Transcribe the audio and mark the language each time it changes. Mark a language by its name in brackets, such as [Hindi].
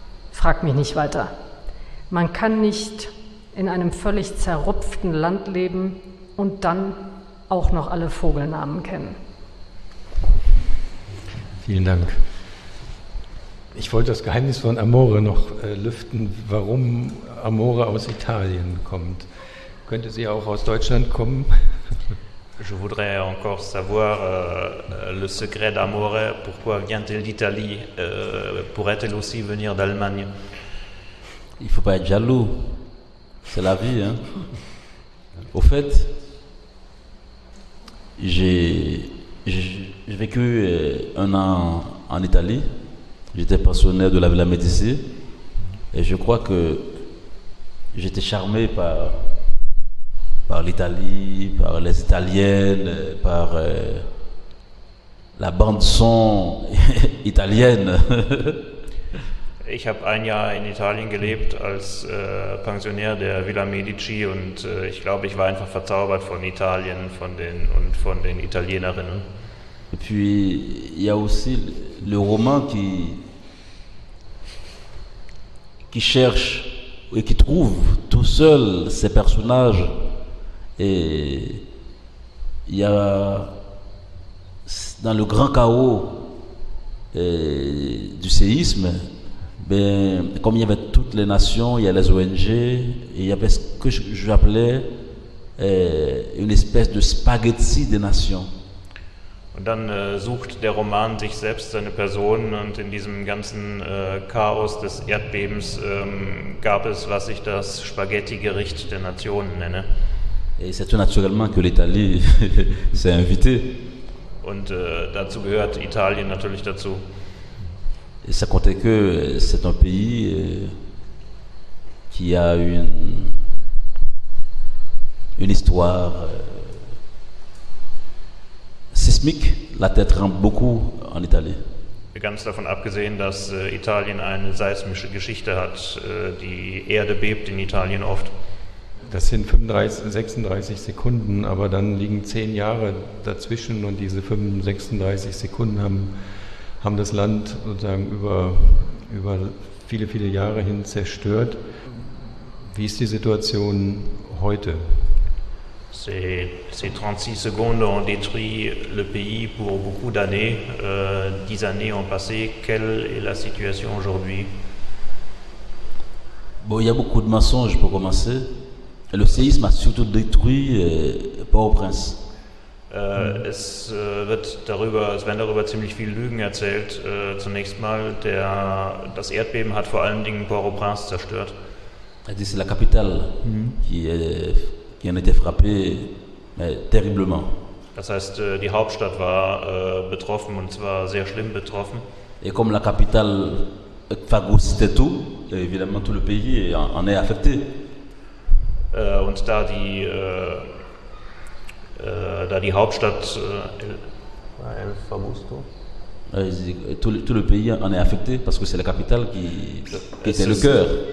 [German] Frag mich nicht weiter. Man kann nicht in einem völlig zerrupften Land leben und dann auch noch alle Vogelnamen kennen. Vielen Dank. Ich wollte das Geheimnis von Amore noch lüften, warum Amore aus Italien kommt. Könnte sie auch aus Deutschland kommen? [French] Je voudrais encore savoir le secret d'Amore, pourquoi vient-elle d'Italie, pourrait-elle aussi venir d'Allemagne? Il faut pas être jaloux, c'est la vie. Hein? Au fait, j'ai vécu un an en Italie. J'étais pensionnaire de la Villa Médici et je crois que j'étais charmé par l'Italie, par les Italiennes, par la bande-son italienne. [German] Ich habe ein Jahr in Italien gelebt als Pensionär der Villa Medici und ich glaube, ich war einfach verzaubert von Italien und von den Italienerinnen. [French] Et puis, il y a aussi le roman qui cherche et qui trouve tout seul ses personnages. Et il y a dans le grand chaos du séisme, ben, comme il y avait toutes les nations, il y a les ONG, et il y avait ce que j'appelais une espèce de spaghetti des nations. [German] Und dann sucht der Roman sich selbst seine Person und in diesem ganzen Chaos des Erdbebens gab es, was ich das Spaghetti-Gericht der Nationen nenne. [French] Et c'est tout naturellement que l'Italie s'est invitée. [German] Und dazu gehört Italien natürlich dazu. [French] Et ça comptait que c'est un pays qui a une histoire sismique, la terre tremble beaucoup en Italie. [German] Ganz davon abgesehen, dass Italien eine seismische Geschichte hat, die Erde bebt in Italien oft. Das sind 35, 36 Sekunden, aber dann liegen 10 Jahre dazwischen und diese 35, 36 Sekunden haben das Land sozusagen über viele, viele Jahre hin zerstört. Wie ist die Situation heute? [French] Ces 36 secondes ont détruit le pays pour beaucoup d'années. 10 années ont passé. Quelle est la situation aujourd'hui? Bon, il y a beaucoup de mensonges pour commencer. Le séisme a surtout détruit Port-au-Prince. [German] Es werden darüber ziemlich viele Lügen erzählt. Zunächst mal, das Erdbeben hat vor allen Dingen Port-au-Prince zerstört. [French] C'est la capitale qui est. Qui en était frappé terriblement. [German] Das heißt, die Hauptstadt war betroffen und zwar sehr schlimm betroffen. [French] Et comme la capitale phagocytait tout, évidemment tout le pays en est affecté. [German] Und da die da die Hauptstadt El Famoso. [French] Tout le pays en est affecté parce que c'est la capitale qui était le cœur.